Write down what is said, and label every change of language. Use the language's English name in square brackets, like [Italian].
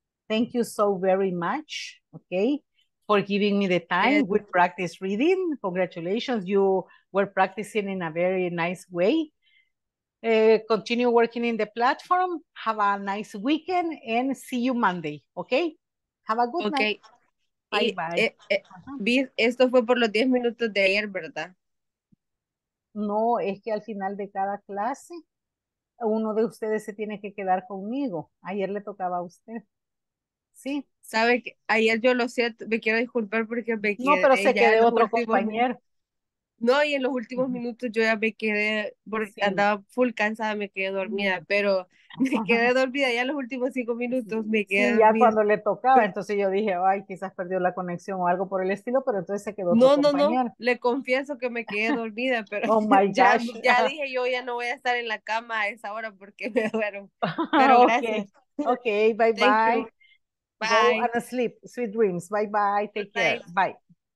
[English] Thank you so very much, okay, for giving me the time. Yes. With practice reading. Congratulations, you were practicing in a very nice way. Continue working in the platform. Have a nice weekend and see you Monday, okay? Have a good night. Okay. Bye. [Spanish] Esto fue por los 10 minutos de ayer, ¿verdad? No, es que al final de cada clase, uno de ustedes se tiene que quedar conmigo. Ayer le tocaba a usted. Sí. ¿Sabe que ayer yo lo siento? Me quiero disculpar porque me quedé. No, pero se quedó otro compañero. No, y en los últimos minutos yo ya me quedé, porque sí. Andaba full cansada, me quedé dormida, pero me quedé dormida ya en los últimos 5 minutos, me quedé dormida. Sí, ya cuando le tocaba, entonces yo dije, ay, quizás perdió la conexión o algo por el estilo, pero entonces se quedó dormida. No, le confieso que me quedé dormida, pero [English] oh my gosh. [Spanish] Ya dije, yo ya no voy a estar en la cama a esa hora porque me duermo, pero gracias. [English] Okay, bye. Thank you. Bye. Go and sleep, sweet dreams, bye bye, take care, bye.